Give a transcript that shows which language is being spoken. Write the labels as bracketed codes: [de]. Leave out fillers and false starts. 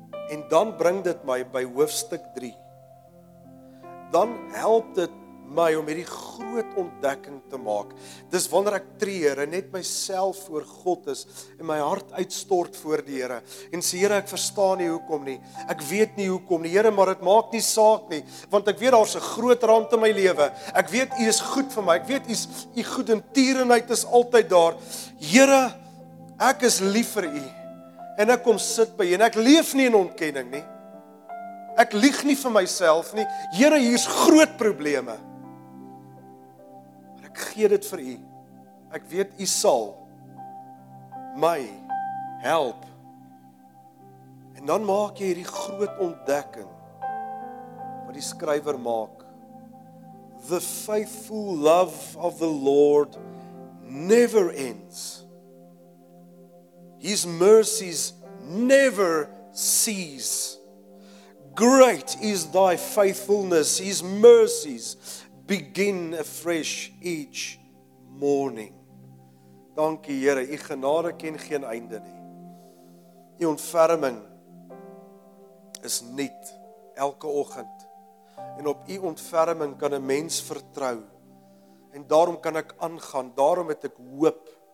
[af] En dan bring dit my by hoofstuk 3 dan help dit my om hierdie groot ontdekking te maak. Dis wanneer ek treur en net myself voor God is en my hart uitstort voor die Here en sê Here, ek verstaan nie hoekom nie. Ek weet nie hoekom nie, Here, maar het maak nie saak nie, want ek weet daar's 'n groot rand in my lewe. Ek weet U is goed vir my. Ek weet U goedertierenheid is altyd daar. Here, ek is lief vir U. En ek kom sit by U en ek leef nie in ontkenning nie. Ek lieg nie vir myself nie. Here, hier's groot probleme. Maar ek gee dit vir U. Ek weet U sal my help. En dan maak jy hierdie groot ontdekking wat die skrywer maak. [en] The faithful love of the Lord never ends. His mercies never cease. Great is thy faithfulness, his mercies begin afresh each morning. [af] Dankie Here, u genade ken geen einde nie. U ontferming is nuut elke oggend. En op u ontferming kan 'n mens vertrou. En daarom kan ek aangaan, daarom het ek hoop.